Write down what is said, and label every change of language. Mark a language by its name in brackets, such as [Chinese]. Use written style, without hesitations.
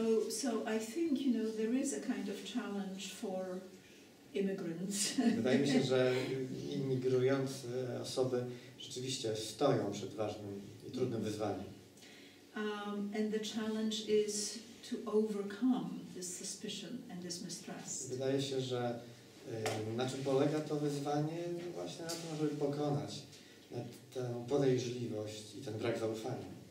[English] So I think, you know, there is a kind of challenge for immigrants. [Polish] Wydaje mi się, że imigrujące osoby rzeczywiście stoją przed ważnym i trudnym wyzwaniem. [English] And the challenge is to overcome this suspicion and this mistrust. [Polish] Wydaje się, że na czym polega to wyzwanie? Właśnie na tym, żeby pokonać tę podejrzliwość i ten brak zaufania.